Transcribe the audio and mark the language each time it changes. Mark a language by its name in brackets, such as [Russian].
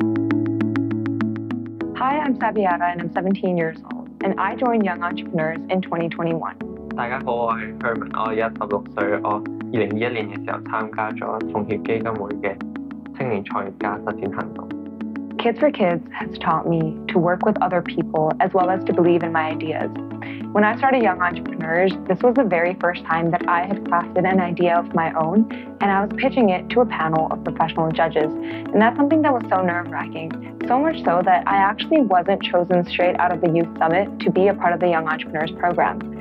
[English] I'm Sabiata and I'm 17 years old, and I joined Young Entrepreneurs in 2021. [Cantonese] 大家好，我系Herman， 我二十六岁，我2021年嘅时候参加咗创业基金会嘅青年创业家实践行动。 [English] Kids4Kids has taught me to work with other people as well as to believe in my ideas. When I started Young Entrepreneurs, this was the very first time that I had crafted an idea of my own, and I was pitching it to a panel of professional judges. And that's something that was so nerve-wracking, so much so that I actually wasn't chosen straight out of the Youth Summit to be a part of the Young Entrepreneurs program.